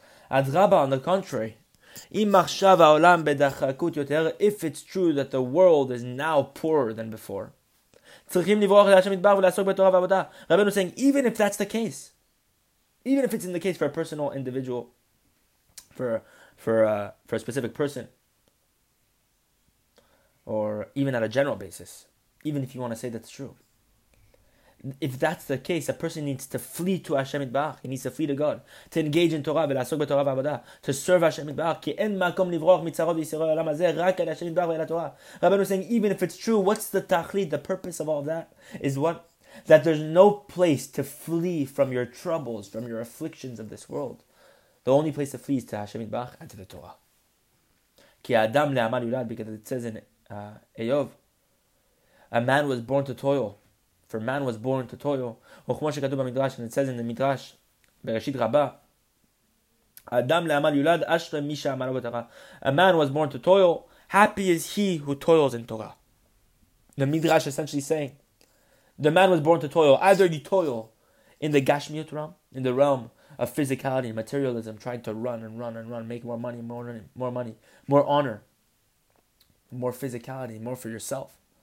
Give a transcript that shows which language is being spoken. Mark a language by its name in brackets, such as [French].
[English] Adraba, on the contrary, if it's true that the world is now poorer than before, Rabbeinu saying, even if that's the case, even if it's in the case for a personal individual, for a specific person, or even at a general basis, even if you want to say that's true, if that's the case, a person needs to flee to Hashem Yitbarach. He needs to flee to God, to engage in Torah, [Hebrew] ולעסוק בתורה ועבודה, [English] to serve Hashem Yitbarach. [Hebrew] כי אין מקום לברוח מצרות וישרו לעולם הזה, רק על Hashem Yitbarach ועל התורה. [English] Rabbeinu saying, even if it's true, what's the tachlit, the purpose of all of that, is what? That there's no place to flee from your troubles, from your afflictions of this world. The only place to flee is to Hashem Yitbarach and to the Torah. [Hebrew] כי האדם לעמל יולד, [English] because it says in Eyov, a man was born to toil, for man was born to toil. [Hebrew] וכמו שכתוב במדרש, [English] and it says in the Midrash, [Hebrew] בראשית רבה, אדם לעמל יולד, אשרי מי שעמלו בתורה. [English] A man was born to toil, happy is he who toils in Torah. The Midrash essentially saying, the man was born to toil, either you toil in the Gashmiut realm, in the realm of physicality and materialism, trying to run and run and run, make more money, more money, more money, more honor, more physicality, more for yourself.